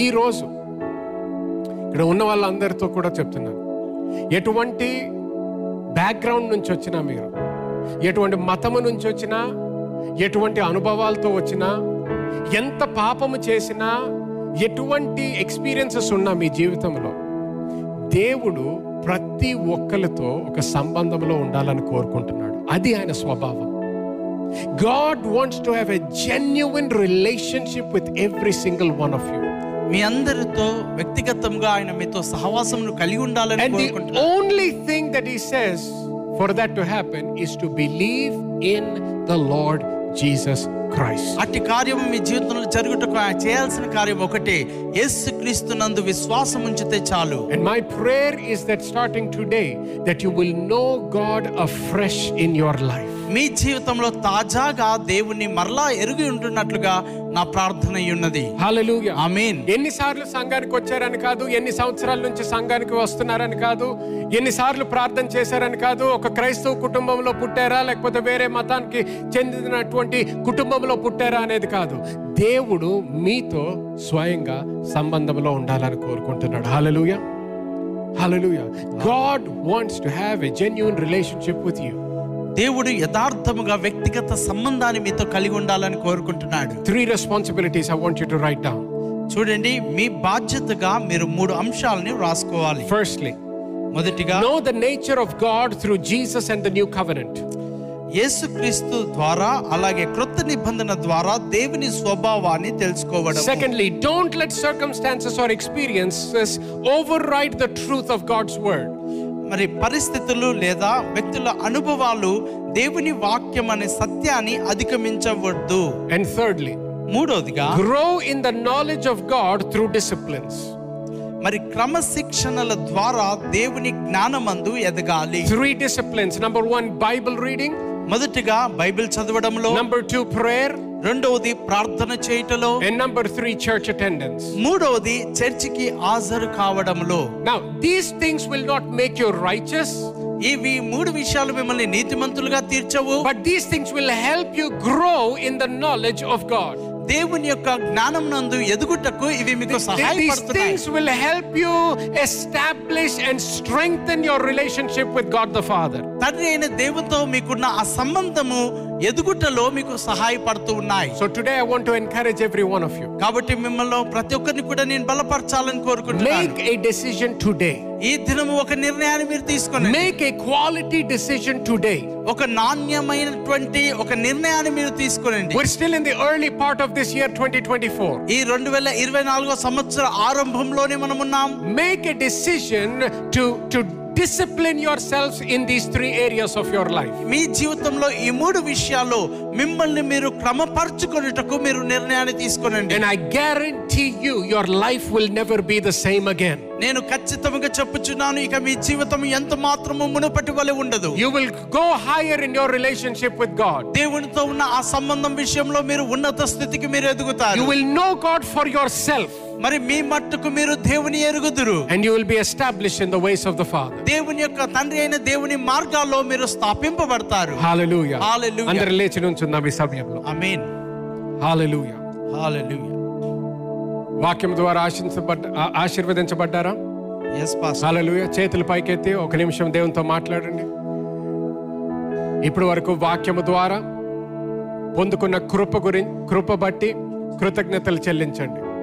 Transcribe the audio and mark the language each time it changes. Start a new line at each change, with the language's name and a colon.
Telugu: ఈ రోజు ఇక్కడ ఉన్న వాళ్ళందరితో కూడా చెప్తున్నాను, ఎటువంటి బ్యాక్గ్రౌండ్ నుంచి వచ్చినా, మీరు ఎటువంటి మతము నుంచి వచ్చినా, ఎటువంటి అనుభవాలతో వచ్చినా, ఎంత పాపము చేసినా, ఎటువంటి ఎక్స్పీరియన్సెస్ ఉన్నా మీ జీవితంలో, దేవుడు ప్రతి ఒక్కరితో ఒక సంబంధంలో ఉండాలని కోరుకుంటున్నాడు. అది ఆయన స్వభావం.
English: God wants to have a genuine relationship with every single one of you.
Telugu: మీ అందరితో వ్యక్తిగతంగా ఆయన మీతో సహవాసమును కలిగి ఉండాలని కోరుకుంటున్నాడు.
English: And the only thing that he says for that to happen is to believe in the Lord Jesus Christ.
Telugu: అట్టి కార్యం మీ జీవితంలో జరుగుటకు చేయాల్సిన కార్యం ఒకటే, యేసుక్రీస్తు నందు విశ్వాసం ఉంచితే చాలు.
English: And my prayer is that starting today that you will know God afresh in your life.
Telugu: మీ జీవితంలో తాజాగా దేవుణ్ణి మరలా ఎరుగు ఉంటున్నట్లుగా నా ప్రార్థన అయ్యున్నది. హల్లెలూయా. ఆమేన్. ఎన్నిసార్లు సంఘానికి వచ్చారని కాదు, ఎన్ని సంవత్సరాల నుంచి సంఘానికి వస్తున్నారని కాదు, ఎన్నిసార్లు ప్రార్థన చేశారని కాదు, ఒక క్రైస్తవ కుటుంబంలో పుట్టారా లేకపోతే వేరే మతానికి చెందినటువంటి కుటుంబంలో పుట్టారా అనేది కాదు. దేవుడు మీతో స్వయంగా సంబంధంలో ఉండాలని కోరుకుంటున్నాడు. హల్లెలూయా. హల్లెలూయా.
English: God wants to have a genuine relationship with you.
Telugu: దేవుడు యథార్థముగా వ్యక్తిగత సంబంధాన్ని మీతో కలిగి ఉండాలని కోరుకుంటున్నాడు.
English: 3 responsibilities I want you to write down.
Telugu: చూడండి, మీ బాధ్యతగా మీరు 3 అంశాలను రాసుకోవాలి.
English: Firstly,
Telugu: మొదటిగా,
English: know the nature of God through Jesus and the new covenant.
Telugu: యేసుక్రీస్తు ద్వారా అలాగే కృత నిబంధన ద్వారా దేవుని స్వభావాన్ని తెలుసుకోవడం.
English: Secondly, don't let circumstances or experiences override the truth of God's word.
Telugu: మరి పరిస్థితులు లేదా వ్యక్తుల అనుభవాలు దేవుని వాక్యం అనే సత్యాన్ని అధిగమించవద్దు.
English: And thirdly,
Telugu: మూడోదిగా,
English: grow in the knowledge of God through disciplines.
Telugu: మరి క్రమశిక్షణల ద్వారా దేవుని జ్ఞానమందు ఎదగాలి.
English: 3 disciplines. Number 1, Bible reading.
Telugu: మొదటిగా బైబిల్ చదవడంలో.
English: Number 2, prayer.
Telugu: రెండవది ప్రార్థన చేయటలో.
English: And number 3, church attendance.
Telugu: మూడవది చర్చికి హాజరు కావడంలో.
English: Now these things will not make you righteous.
Telugu: ఇవి 3 విషయాలు మిమ్మల్ని నీతిమంతులుగా తీర్చవు.
English: But these things will help you grow in the knowledge of God.
Telugu: దేవుని యొక్క జ్ఞానమునందు ఎదుగుటకు ఇవి మీకు సహాయపడతాయి.
English: These things will help you establish and strengthen your relationship with God the Father.
Telugu: తండ్రి అయిన దేవుతో మీకున్న ఆ సంబంధము ఎదుగుటలో మీకు సహాయపడుతూ ఉన్నాయి.
English: So today I want to encourage every one of you.
Telugu: కాబట్టి మిమ్మల్ని ప్రతి ఒక్కరిని కూడా నేను బలపరచాలని కోరుకుంటున్నాను.
English: Make a decision today.
Telugu: ఈ దినము ఒక నిర్ణయాన్ని మీరు తీసుకోండి.
English: Make a quality decision today.
Telugu: ఒక నాణ్యమైనటువంటి ఒక నిర్ణయాన్ని మీరు తీసుకోండి.
English: We're still in the early part of this year 2024.
Telugu: ఈ 2024 సంవత్సర ఆరంభంలోనే మనం ఉన్నాం.
English: Make a decision to discipline yourselves in these 3 areas of your life.
Telugu: మీ జీవితంలో ఈ 3 విషయాలు మిమ్మల్ని మీరు క్రమపరచుకొనుటకు మీరు నిర్ణయాన్ని తీసుకోండి.
English: And I guarantee you your life will never be the same again.
Telugu: నేను ఖచ్చితంగా చెప్పుచున్నాను, ఇక మీ జీవితం ఎంత మాత్రమే మునుపటి వలే ఉండదు.
English: You will go higher in your relationship with God.
Telugu: దేవునితో ఉన్న ఆ సంబంధం విషయంలో మీరు ఉన్నత స్థితికి మీరు ఎదుగుతారు.
English: You will know God for yourself.
Telugu: మరి మీ మట్టుకు మీరు దేవుని ఎరుగుదురు.
English: And you will be established in the ways of the Father.
Telugu: దేవుని యొక్క తండ్రి అయిన దేవుని మార్గాల్లో మీరు స్థాపింపబడతారు. హల్లెలూయా. హల్లెలూయా. అందరు లేచి నుంచుందాం ఈ సమయంలో. ఆమేన్. హల్లెలూయా. హల్లెలూయా. వాక్యం ద్వారా ఆశీర్వదించబడ్డారా?
English: Yes, Pastor.
Telugu: హల్లెలూయా. చేతులు పైకెత్తి ఒక నిమిషం దేవునితో మాట్లాడండి. ఇప్పటి వరకు వాక్యము ద్వారా పొందుకున్న కృప గురించి, కృప బట్టి కృతజ్ఞతలు చెల్లించండి.